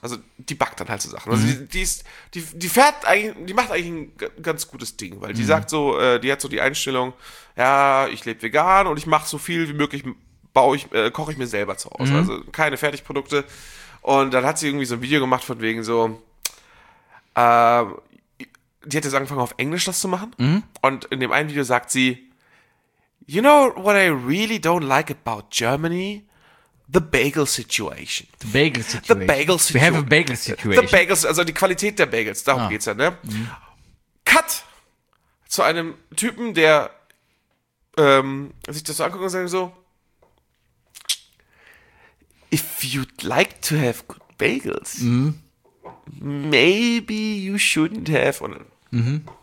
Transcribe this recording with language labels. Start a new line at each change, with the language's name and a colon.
German: Also die backt dann halt so Sachen. Also die macht eigentlich ein ganz gutes Ding, weil die sagt so, die hat so die Einstellung, ja, ich lebe vegan und ich mache so viel wie möglich, koche ich mir selber zu Hause. Also keine Fertigprodukte. Und dann hat sie irgendwie so ein Video gemacht von wegen so, die hat jetzt angefangen auf Englisch das zu machen. Und in dem einen Video sagt sie,
English: You know what I really don't like about Germany? The bagel situation. The bagel situation. The bagel situation. We have a bagel situation. The bagels,
German: also die Qualität der Bagels, darum geht's ja, ne? Mhm. Cut zu einem Typen, der sich das so anguckt und sagt so,
English: if you'd like to have good bagels, maybe you shouldn't have.
German: Und dann,